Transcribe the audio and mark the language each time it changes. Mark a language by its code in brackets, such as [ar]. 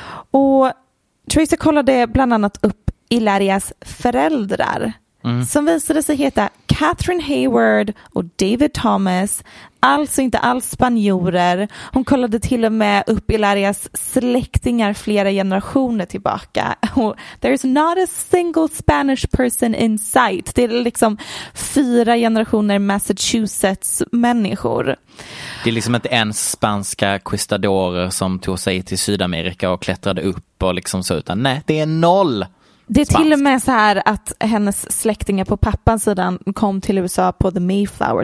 [sv] Och Tracy kollade bland annat upp Ilarias föräldrar som visade sig heta Catherine Hayward och David Thomas. Alltså inte alls spanjorer. Hon kollade till och med upp Ilarias släktingar flera generationer tillbaka. [en] There is not a single Spanish person in sight. [sv] Det är liksom fyra generationer Massachusetts-människor. Det är liksom inte ens spanska quistadorer som tog sig till Sydamerika och klättrade upp och liksom så, utan nej, det är noll. Det är till och med så här att hennes släktingar på pappans sidan kom till USA på The Mayflower.